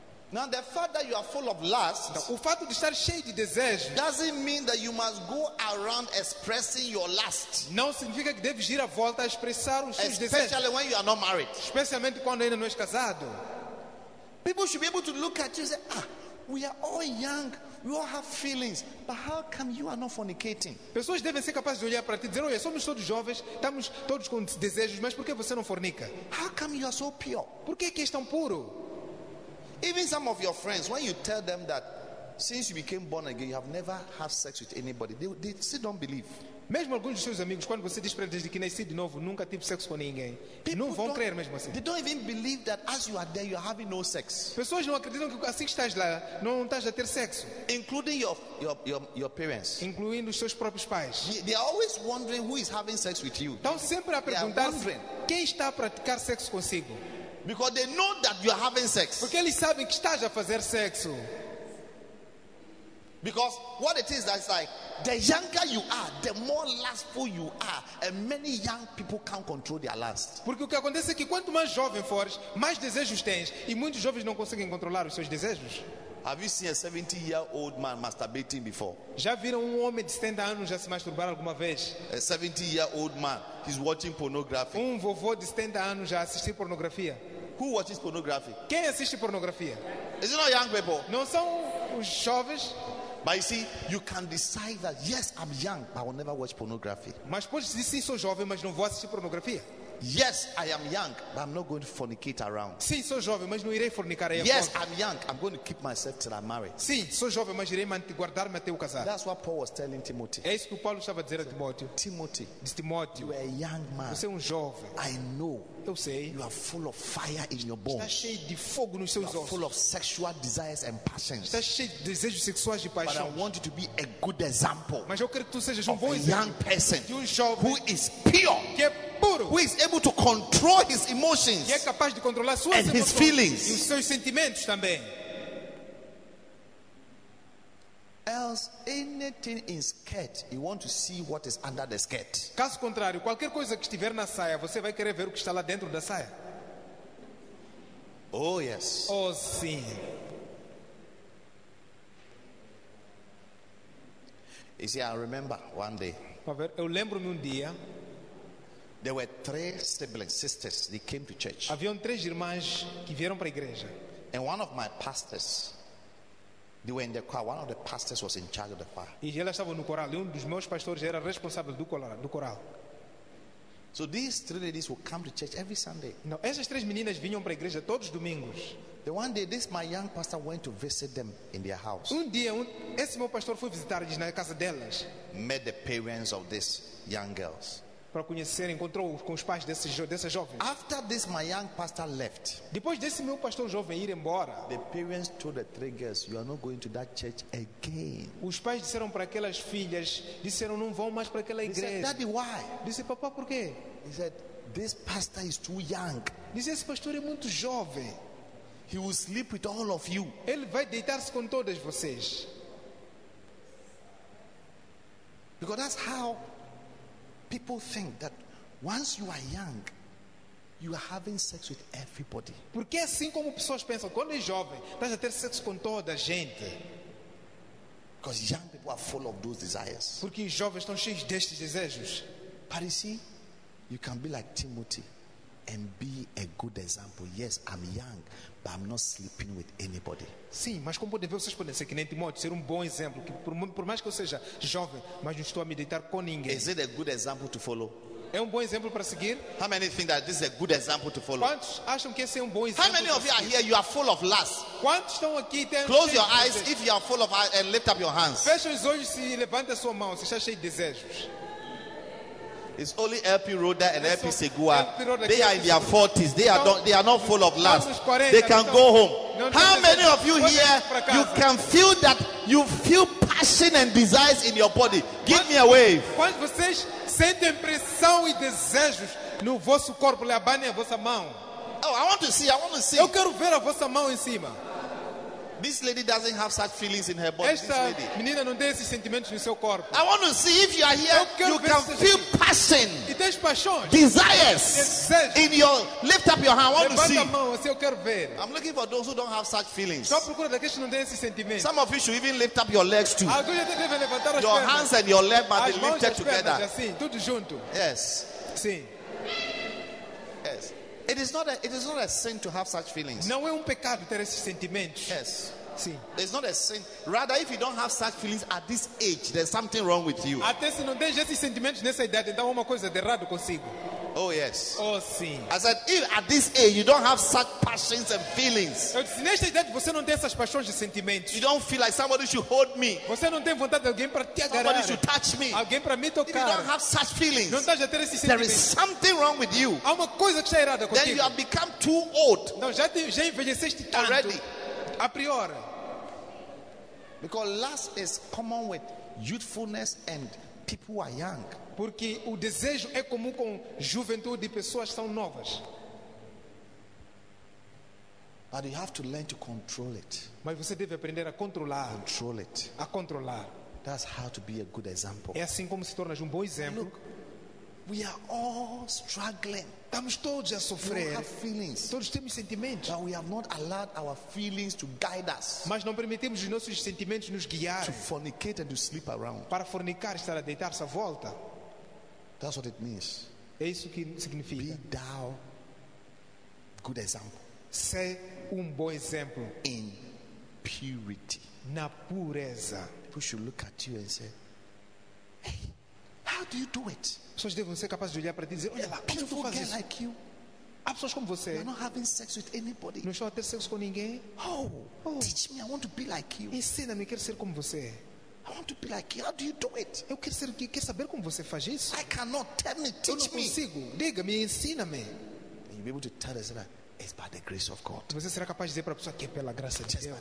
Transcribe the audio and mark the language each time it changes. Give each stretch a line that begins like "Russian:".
English: Now the fact that you are full of lust,
Portuguese: o fato de estar cheio de desejos,
English: doesn't mean that you must go around expressing your lust.
Portuguese: Não significa que deves ir à volta a expressar os seus
English: especially
Portuguese: desejos.
English: Especially when you are not married.
Portuguese: Especialmente quando ainda não és casado.
English: People should be able to look at you and say, we are all young. We all have feelings. But how come you are not fornicating?
Portuguese: Pessoas devem ser capazes de olhar para ti e dizer, olha, somos todos jovens, estamos todos com desejos, mas por que você não fornica?
English: How come you are so pure?
Portuguese: Por que és tão puro?
English: Even some of your friends, when you tell them that since you became born again, you have never had sex with anybody, they still don't believe.
Portuguese: Mesmo alguns dos seus amigos, quando você diz para eles que nasci de novo, nunca tive sexo com ninguém,
English: people
Portuguese: não vão crer mesmo assim.
English: They don't even believe that as you are there, you are having no sex.
Portuguese: Pessoas não acreditam que assim que estás lá, não estás a ter sexo.
English: Including your parents.
Portuguese: Incluindo os seus próprios pais.
English: They are always wondering who is having sex with you.
Portuguese: Estão sempre a perguntar quem está a praticar sexo consigo.
English: Because they know that you are having sex.
Portuguese: Porque eles sabem que estás a fazer sexo.
English: Because what it is, that's like, the younger you are, the more lustful you are. And many young people can't control their lust.
Portuguese: Porque o que acontece é que quanto mais jovem fores, mais desejos tens. E muitos jovens não conseguem controlar os seus desejos.
English: Have you seen a 70-year-old man masturbating before?
Portuguese: Já viram homem de 70 anos já se masturbar alguma vez?
English: A 70-year-old man, he's watching pornography.
Portuguese: Vovô de 70 anos já assistiu pornografia.
English: Who watches pornography?
Portuguese: Quem assiste pornografia?
English: Is it not young people?
Portuguese: Não são os jovens?
English: But you see, you can decide that yes, I'm young, but I will never watch pornography.
Portuguese: Mas pode dizer sim, sou jovem, mas não vou assistir pornografia.
English: Yes, I am young, but I'm not going to fornicate around.
Portuguese: Sim, sou jovem, mas não irei fornicar aí.
English: Yes, I'm young, I'm going to keep myself till I'm married.
Portuguese: Sim, sou jovem, mas irei guardar-me até o casar.
English: That's what Paul was telling Timothy.
Portuguese: É isso que Paulo estava a dizer a Timóteo.
English: Timothy,
Portuguese: Timóteo,
English: you are a young man.
Portuguese: Você é jovem.
English: I know.
Portuguese: Eu sei.
English: You are full of fire in your bones.
Portuguese: Está cheio de fogo nos seus ossos.
English: You are full of sexual desires and passions.
Portuguese: Está cheio de desejos sexuais e paixões.
English: But I want you to be a good example.
Portuguese: Mas eu quero que tu sejas bom exemplo.
English: A young person.
Portuguese: De jovem.
English: Who is pure.
Portuguese: Que é puro.
English: Who is able to control his emotions.
Portuguese: Que é capaz de controlar suas
English: and his feelings.
Portuguese: E os seus sentimentos também.
English: Else anything in skirt, you want to see what is under the skirt.
Portuguese: Caso contrário, qualquer coisa que estiver na saia, você vai querer ver o que está lá dentro da saia.
English: Oh yes.
Portuguese: Oh sim.
English: You see, I remember one day.
Portuguese: Ver, eu lembro-me dia.
English: There were three siblings, sisters. They came to church.
Portuguese: Haviam três irmãs que vieram para a igreja.
English: And one of my pastors. They were in the choir. One of the pastors was in charge of the choir.
Portuguese: E elas estavam no coral. E dos meus pastores era responsável do coral.
English: So these three ladies would come to church every Sunday.
Portuguese: Não, essas três meninas vinham para a igreja todos os domingos.
English: The one day, this my young pastor went to visit them in their house.
Portuguese: Dia, esse meu pastor foi visitar-lhes na casa delas.
English: Met the parents of these young girls.
Portuguese: Para conhecer, encontrou com os pais dessas jovens.
English: After this, my young pastor left.
Portuguese: Depois desse meu pastor jovem ir embora.
English: The parents told the three girls, "You are not going to that church again."
Portuguese: Os pais disseram para aquelas filhas, disseram, não vão mais para aquela igreja.
English: They said, "Daddy, why?"
Portuguese: Disse, papá, por quê?
English: He said, "This pastor is too young."
Portuguese: Disse, esse pastor é muito jovem.
English: He will sleep with all of you.
Portuguese: Ele vai deitar-se com todas vocês.
English: Because that's how. People think that once you are young, you are having sex with everybody.
Portuguese: Porque assim como pessoas pensam, quando é jovem, estás a ter sexo com toda a gente.
English: Because young people are full of those desires.
Portuguese: Porque os jovens estão cheios destes desejos.
English: But you see, you can be like Timothy and be a good example. Yes, I'm young, but I'm not sleeping with anybody.
Portuguese: Sim, mas como podem ver, vocês podem ser que nem Timóteo, ser bom exemplo, que por mais que eu seja jovem, mas não estou a me deitar com ninguém.
English: Is it a good example to follow?
Portuguese: É bom exemplo para seguir?
English: How many think that this is a good example to follow?
Portuguese: Quantos acham que esse é bom exemplo?
English: How many of you are here, you are full of lust?
Portuguese: Quantos estão aqui?
English: Close your eyes if you are full of lust and lift up your hands.
Portuguese: Feche os olhos e levanta sua mão, se está cheio de desejos.
English: It's only LP Roda and LP Segua. They are in their 40s. They are not full of lust. They can go home. How many of you here, you can feel that, you feel passion and desires in your body? Give me a wave.
Portuguese: Quando vocês sentem pressão e desejos no vosso corpo, levantem a vossa mão.
English: Oh, I want to see, I want to see.
Portuguese: Eu quero ver a vossa mão em cima.
English: This lady doesn't have such feelings in her body.
Portuguese: Esta menina não tem esses sentimentos no seu corpo.
English: I want to see if you are here. You can feel passion.
Portuguese: E tens paixões.
English: Desires. In your, lift up your hand. I want
Portuguese: levanta
English: to see.
Portuguese: A mão, assim, eu quero ver.
English: I'm looking for those who don't have such feelings.
Portuguese: Só procura daqueles que não têm esses sentimentos.
English: Some of you should even lift up your legs too.
Portuguese: Alguns já devem levantar as
English: your hands and your legs must be lifted together.
Portuguese: Assim, tudo junto.
English: Yes.
Portuguese: Sim.
English: Yes. It is not a sin to have such feelings.
Portuguese: Não é pecado ter esses sentimentos.
English: Yes.
Portuguese: Sim.
English: It's not a sin. Rather, if you don't have such feelings at this age, there's something wrong with you.
Portuguese: Até se não tens esses sentimentos nessa idade, então uma coisa de errado consigo.
English: Oh yes.
Portuguese: Oh sim.
English: I said, if at this age you don't have such passions and feelings.
Portuguese: Eu disse, nesta idade você não tem essas paixões e sentimentos.
English: You don't feel like somebody should hold me.
Portuguese: Você não tem vontade de alguém para te agarrar.
English: Somebody should touch me.
Portuguese: Alguém para me tocar.
English: If you don't have such feelings.
Portuguese: Não estás a ter esses sentimentos.
English: There is something wrong with you.
Portuguese: Há uma coisa que está errada contigo.
English: Then you have become too old.
Portuguese: Não, já envelheceste tanto.
English: Already.
Portuguese: A priori.
English: Because lust is common with youthfulness and people who are young.
Portuguese: Porque o desejo é comum com juventude e pessoas são novas.
English: But you have to learn to control it.
Portuguese: Mas você deve aprender a controlar.
English: Control it.
Portuguese: A controlar.
English: That's how to be a good example.
Portuguese: É assim como se tornas bom exemplo.
English: Look, we are all struggling.
Portuguese: Estamos todos a sofrer.
English: We have feelings.
Portuguese: Todos temos sentimentos.
English: But we have not allowed our feelings to guide us.
Portuguese: Mas não permitimos os nossos sentimentos nos guiar.
English: To fornicate and to sleep around.
Portuguese: Para fornicar e estar a deitar-se à volta.
English: That's what it means.
Portuguese: É isso que significa.
English: Be thou good example.
Portuguese: Ser bom exemplo.
English: In purity.
Portuguese: Na pureza.
English: People should look at you and say, "Hey, how do you do it?
Portuguese: As pessoas devem ser capazes de olhar para ti e dizer, olha lá, como tu fazes isso?
English: Like you.
Portuguese: Há pessoas como você.
English: You're not having sex with anybody.
Portuguese: Não estão a ter sexo com ninguém. Oh, oh.
English: Teach me, I want to be like you.
Portuguese: Ensina-me, quero ser como você.
English: I want to be like you. How do you do it?
Portuguese: Eu quero ser, quero saber como você faz isso.
English: I cannot. Tell me, teach me.
Portuguese: Eu não consigo. Diga-me, ensina-me.
English: And you'll be able to tell us that it's by the grace of God.
Portuguese: Você será capaz de dizer para a pessoa que é pela graça de Deus.